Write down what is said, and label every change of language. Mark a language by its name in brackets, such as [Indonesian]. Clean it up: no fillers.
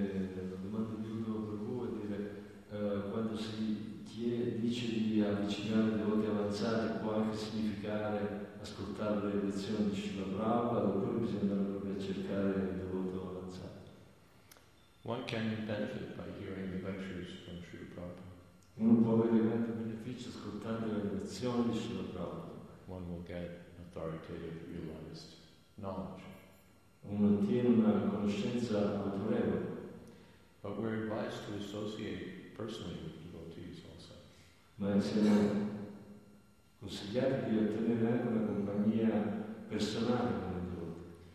[Italian] la domanda di uno per voi, dire quando si dice di avvicinare le voti avanzate può anche significare ascoltare le lezioni di Srila Prabhupada, oppure bisogna andare a cercare le voti avanzate. [English] One can benefit by hearing the lectures from Srila Prabhupada. [Italian] Uno può avere grande beneficio ascoltando le lezioni di Srila Prabhupada. [English] One will get authoritative, realized knowledge. [Italian] Uno ottiene una conoscenza autorevole. [English] But we're advised to associate personally with devotees also. [Italian] Ma siamo consigliati di ottenere anche una compagnia personale con i devoti.